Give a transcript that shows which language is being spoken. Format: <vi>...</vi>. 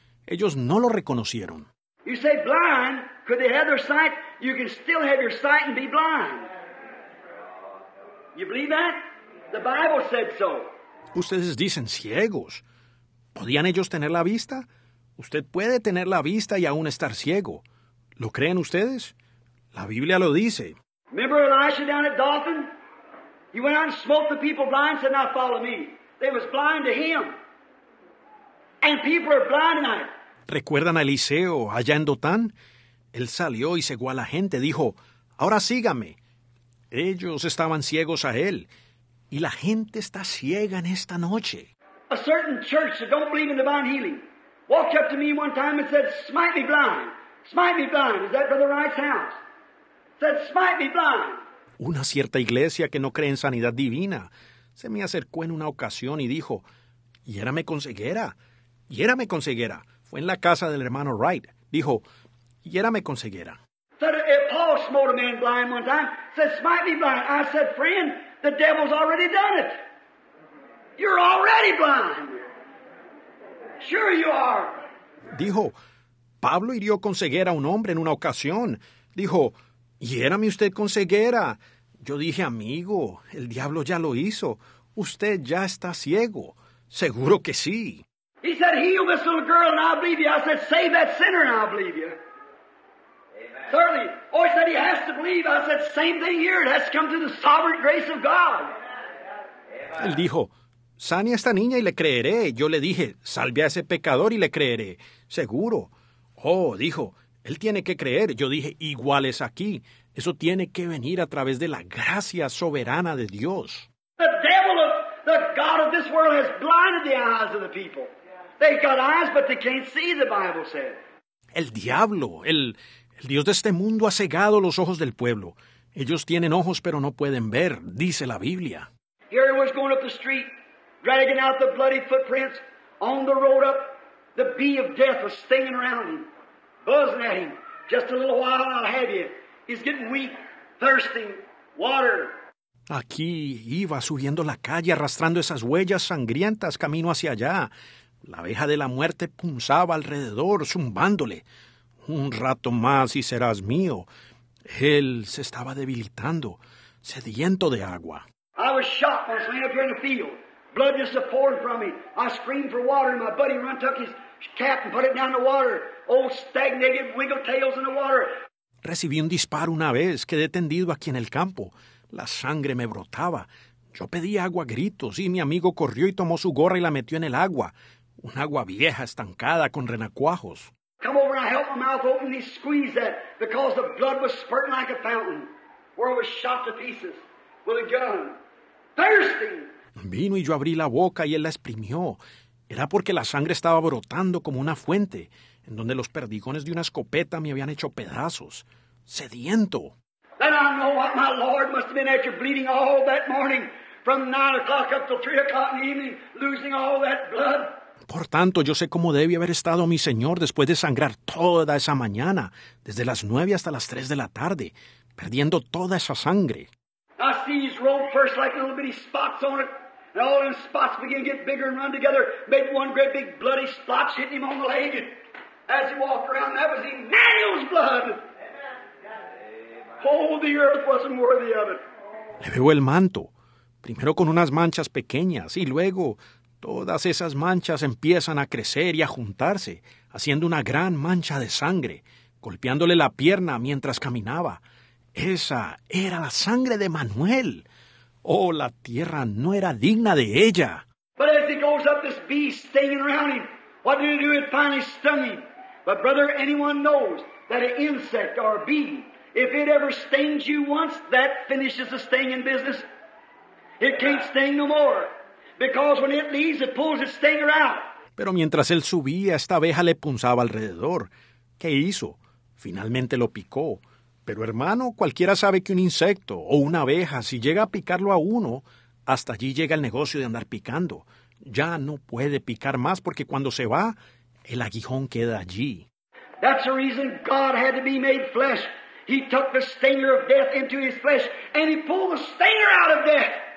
<es>Ellos no lo reconocieron.</es> <en>You say blind, could they have their sight? You can still have your sight and be blind. You believe that? The Bible said so.</en> <es>Ustedes dicen ciegos. ¿Podían ellos tener la vista? Usted puede tener la vista y aún estar ciego. ¿Lo creen ustedes? La Biblia lo dice.</es> <en>Remember Elisha down at Dothan? He went out and smote the people blind and said, now follow me. They was blind to him. And people are blind tonight.</en> <es>¿Recuerdan a Eliseo allá en Dotán? Él salió y cegó a la gente. Dijo, ahora sígame. Ellos estaban ciegos a él. Y la gente está ciega en esta noche.</es> <en>A certain church that don't believe in divine healing walked up to me one time and said, smite me blind. Smite me blind. Is that Brother Wright's house? Said, smite me blind.</en> <es>Una cierta iglesia que no cree en sanidad divina se me acercó en una ocasión y dijo, hiérame con ceguera. Hiérame con ceguera. Fue en la casa del hermano Wright. Dijo, hiérame con ceguera.</es> <en>Said, Paul smote a man blind one time. Said, smite me blind. I said, friend, the devil's already done it. You're already blind. Sure you are.</en> <es>Dijo, Pablo hirió con ceguera a un hombre en una ocasión. Dijo, hiérame usted con ceguera. Yo dije, amigo, el diablo ya lo hizo. Usted ya está ciego. Seguro que sí.</es> <en>He said, heal this little girl and I'll believe you. I said, save that sinner and I'll believe you. Amen. Certainly. Oh, he said, he has to believe. I said, same thing here. It has to come through the sovereign grace of God.</en> <es>Él dijo, sane a esta niña y le creeré. Yo le dije, salve a ese pecador y le creeré. Seguro. Oh, dijo, él tiene que creer. Yo dije, igual es aquí. Eso tiene que venir a través de la gracia soberana de Dios.</es> <en>The devil of the God of this world has blinded the eyes of the people. They've got eyes, but they can't see, the Bible said.</en> <es>El diablo, el Dios de este mundo ha cegado los ojos del pueblo. Ellos tienen ojos, pero no pueden ver, dice la Biblia.</es> <en>Here he was going up the street, dragging out the bloody footprints. On the road up, the bee of death was stinging around him, buzzing at him. Just a little while, I'll have you. He's getting weak, thirsting, water.</en> <es>Aquí iba subiendo la calle, arrastrando esas huellas sangrientas camino hacia allá. La abeja de la muerte punzaba alrededor, zumbándole. Un rato más y serás mío. Él se estaba debilitando, sediento de agua.</es> <en>I was shot when I was laying up here in the field. Blood just pouring from me. I screamed for water, and my buddy run took his cap and put it down the water. Old stagnated wiggle tails in the water.</en> <es>Recibí un disparo una vez, quedé tendido aquí en el campo. La sangre me brotaba. Yo pedí agua a gritos, y mi amigo corrió y tomó su gorra y la metió en el agua. Un agua vieja, estancada, con renacuajos.</es> <en>Come over and I helped my mouth open and he squeezed that because the blood was spurting like a fountain where it was shot to pieces with a gun. Thirsty!</en> <es>Vino y yo abrí la boca y él la exprimió. Era porque la sangre estaba brotando como una fuente en donde los perdigones de una escopeta me habían hecho pedazos. Sediento.</es> <en>Then I know what my Lord must have been at your bleeding all that morning from 9 o'clock up till 3 o'clock in the evening losing all that blood.</en> <es>Por tanto, yo sé cómo debe haber estado mi Señor después de sangrar toda esa mañana, desde las 9 hasta las 3 de la tarde, perdiendo toda esa sangre.</es> <en>I see these rolled first like little bitty spots on it. And all them spots begin to get bigger and run together. Made one great big bloody splotch hitting him on the leg. And as he walked around, that was Emmanuel's blood. Oh, the earth wasn't worthy of it.</en> <es>Le veo el manto. Primero con unas manchas pequeñas y luego todas esas manchas empiezan a crecer y a juntarse, haciendo una gran mancha de sangre, golpeándole la pierna mientras caminaba. Esa era la sangre de Manuel. Oh, la tierra no era digna de ella.</es> <en>But as he goes up, this beast stinging around him, what did he do? It finally stung him. But brother, anyone knows that an insect or a bee, if it ever stings you once, that finishes the stinging business. It can't sting no more. Because when it leaves, it pulls its stinger out.</en> <es>Pero mientras él subía, esta abeja le punzaba alrededor. ¿Qué hizo? Finalmente lo picó. Pero hermano, cualquiera sabe que un insecto o una abeja, si llega a picarlo a uno, hasta allí llega el negocio de andar picando. Ya no puede picar más porque cuando se va, el aguijón queda allí.</es> <en>That's the reason God had to be made flesh. He took the stinger of death into his flesh and he pulled the stinger out of death.</en>